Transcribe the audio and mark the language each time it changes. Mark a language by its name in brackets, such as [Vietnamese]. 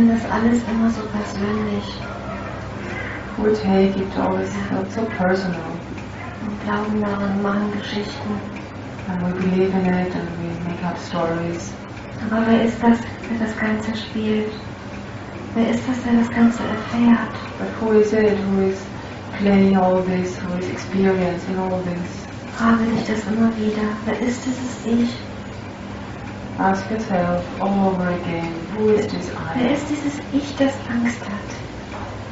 [German] Alles immer so persönlich. [English] We take it always so personal. [German] Und glauben daran, machen Geschichten. [English] And we believe in it and we make up stories. [German] Aber wer ist das, der das Ganze spielt? Wer ist das, der das Ganze erfährt? [English] But who is it who is playing all this, who is experiencing all this? [German] Frage dich das immer wieder. Wer ist dieses Ich? [English] Ask yourself all over again, who is this I? [German] Wer ist dieses Ich, das Angst hat?